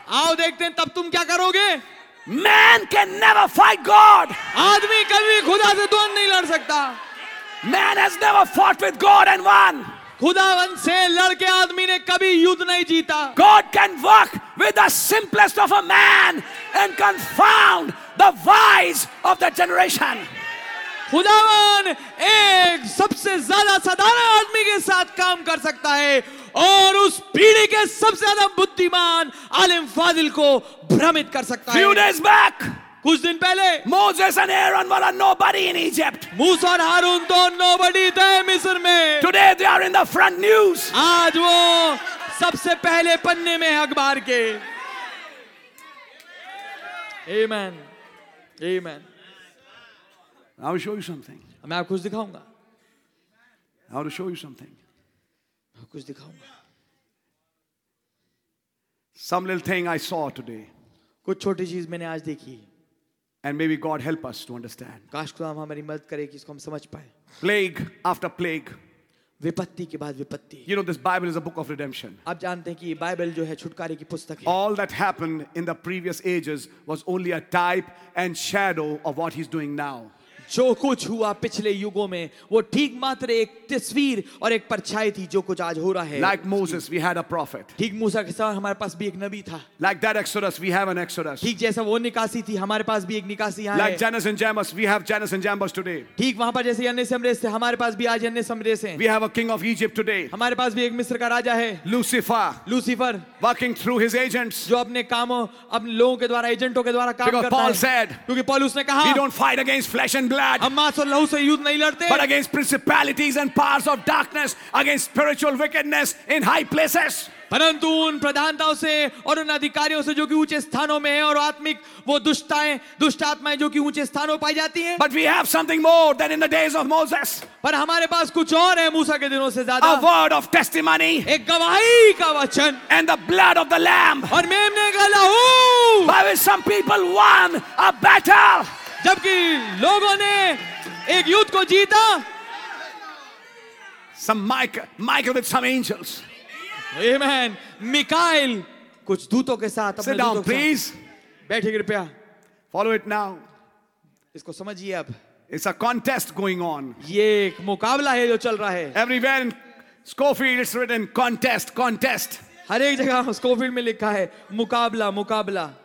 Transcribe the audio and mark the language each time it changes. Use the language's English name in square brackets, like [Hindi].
[Hindi] आओ देखते हैं तब तुम क्या करोगे? [English] Man can never fight God. [Hindi] आदमी कभी खुदा से द्वंद नहीं लड़ सकता। [English] Man has never fought with God and won. [Hindi] खुदावन से लड़के आदमी ने कभी युद्ध नहीं जीता। [English] God can work with the simplest of a man and confound the wise of the generation. [Hindi] खुदावन एक सबसे ज्यादा साधारण आदमी के साथ काम कर सकता है और उस पीढ़ी के सबसे ज्यादा बुद्धिमान आलिम फाजिल को भ्रमित कर सकता है। [English] Few days back, [Hindi] कुछ दिन पहले, [English] Moses and Aaron were nobody in Egypt. [Hindi] मूसा और हारून तो nobody थे मिस्र में। [English] Today they are in the front news. [Hindi] आज वो सबसे पहले पन्ने में अखबार के। [English] Amen. Amen. I will show you something. [Hindi] मैं आपको कुछ दिखाऊंगा। [English] I will show you something. [Hindi] कुछ दिखाऊंगा। [English] Some little thing I saw today. [Hindi] कुछ छोटी चीज मैंने आज देखी। [English] And maybe God help us to understand. [Hindi] काश खुदा हमारी मदद करे कि इसको हम समझ पाए। [English] Plague after plague. [Hindi] विपत्ति के बाद विपत्ति। [English] You know this Bible is a book of redemption. [Hindi] आप जानते हैं कि बाइबल जो है छुटकारे की पुस्तक है। [English] All that happened in the previous ages was only a type and shadow of what He's doing now. [Hindi] जो कुछ हुआ पिछले युगों में वो ठीक मात्र एक तस्वीर और एक परछाई थी जो कुछ आज हो रहा है। [English] Like Moses, we had a prophet. [Hindi] ठीक मूसा के साथ हमारे पास भी एक नबी था। [English] Like that Exodus, we have an Exodus. [Hindi] ठीक जैसा वो निकासी थी हमारे पास भी एक निकासी यहाँ है। [English] Like Jannes and Jambres, we have Jannes and Jambres today. [Hindi] ठीक वहाँ पर जैसे यन्नेस अम्रेस थे हमारे पास भी आज यन्नेस अम्रेस हैं। [English] We have a king of Egypt today. [Hindi] हमारे पास भी एक मिस्र का राजा है। [English] Lucifer. Lucifer. Working through his agents. [Hindi] जो अपने कामों अपने लोगों के द्वारा एजेंटों के द्वारा काम करता है। [English] Paul said. [Hindi] क्योंकि पौलुस ने कहा। [English] We don't fight against flesh and blood. [Hindi] हम मांस और लहू से युद्ध नहीं लड़ते। [English] But against principalities and powers of darkness, against spiritual wickedness in high places. [Hindi] परंतु उन प्रधानताओं से और उन अधिकारियों से जो कि ऊंचे स्थानों में है और आत्मिक वो दुष्टताएं दुष्ट आत्माएं जो कि ऊंचे स्थानों पाई जाती हैं। [English] But we have something more than in the days of Moses. [Hindi] पर हमारे पास कुछ और है मूसा के दिनों से ज्यादा। [English] A word of testimony. [Hindi] एक गवाही का वचन। [English] And the blood of the lamb. [Hindi] और मेमने का लहू। [English] By which some people won a battle. [Hindi] जबकि लोगों ने एक युद्ध को जीता। [English] Some Michael with some angels. Amen. [Hindi] Michael, कुछ दूतों के साथ। [English] Sit down, please. [Hindi] बैठिए कृपया। [English] Follow it now. [Hindi] इसको समझिए अब। [English] It's a contest going on. [Hindi] ये एक मुकाबला है जो चल रहा है। [English] Everywhere in Schofield it's written contest, contest. [Hindi] हर एक जगह Schofield में लिखा है मुकाबला, मुकाबला।